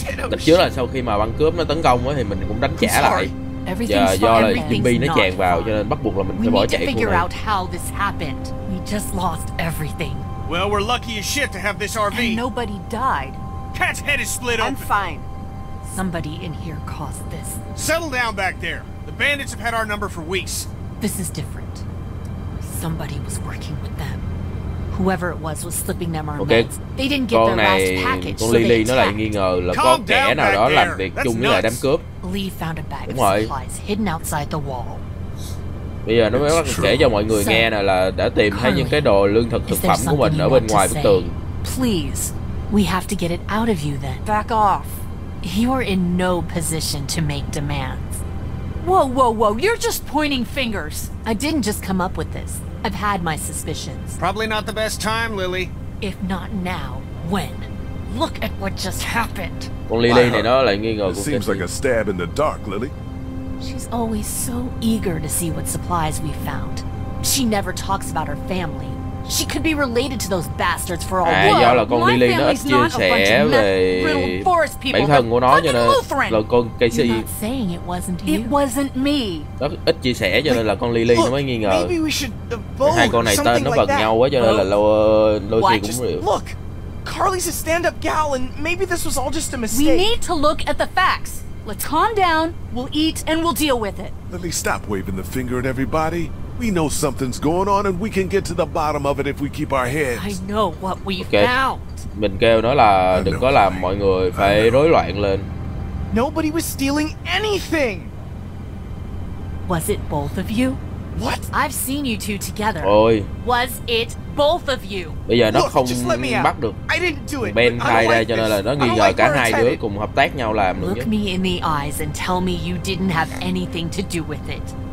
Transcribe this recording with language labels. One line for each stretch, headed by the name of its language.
Vietnamese: Tập trước là sau khi mà băng cướp nó tấn công thì mình cũng đánh trả lại. Giờ do là zombie nó tràn vào cho nên bắt buộc là mình phải bỏ chạy luôn.
English: We just lost everything. Well, we're lucky as shit to have this RV. Nobody died. Cat's head is split open. I'm fine. Somebody in here caused this. Settle down back there. The bandits have had our number for weeks. This is different. Somebody was working with them. Whoever it was slipping them our meds. Okay. They didn't get their last package.
Vietnamese: Con Lily nó lại nghi ngờ là có kẻ nào đó làm việc chung với lại đám cướp.
English: Lee found a bag of supplies hidden outside the wall.
Vietnamese: Bây giờ nó mới bắt kể cho mọi người nghe nè là đã tìm thấy những cái đồ lương thực thực phẩm của mình ở bên ngoài bức tường.
English: Please, we have to get it out of you then. Back off. You are in no position to make demands. Whoa, whoa, whoa, you're just pointing fingers. I didn't just come up with this. I've had my suspicions. Probably not the best time, Lily. If not now, when? Look at what just happened.
Vietnamese: Con Lily này nó lại nghi ngờ cũng
English: seems like a stab in the dark, Lily. She's always so eager to see what supplies we found. She never talks about her family. She could be related to those bastards for all
Vietnamese: do là con Lily nó ít chia sẻ về bản thân của nó cho nên là con Casey nó ít chia sẻ cho nên là con Lily nó mới nghi ngờ. Hai con này tên nó bật nhau quá cho nên là Lucy cũng hiểu.
English: Look, Carly's a stand-up gal and maybe this was all just a mistake. We need to look at the facts. Let's calm down, we'll eat and we'll deal with it. Lily, stop waving the finger at everybody. We know something's going on and we can get to the bottom of it if we keep our heads. I know what we've okay. found.
Vietnamese: Mình kêu nó là đừng có làm mọi người phải rối loạn lên.
English: Nobody was stealing anything. Was it both of you? What? I've seen you two together. Ôi. Was it both of you?
Vietnamese: Bây giờ nó không bắt được.
English: I didn't do it.
Vietnamese: Ben khai ra cho nên là nó nghi ngờ cả hai đứa cùng hợp tác nhau làm được.
English: Look me in the eyes and tell me you didn't have anything to do with it.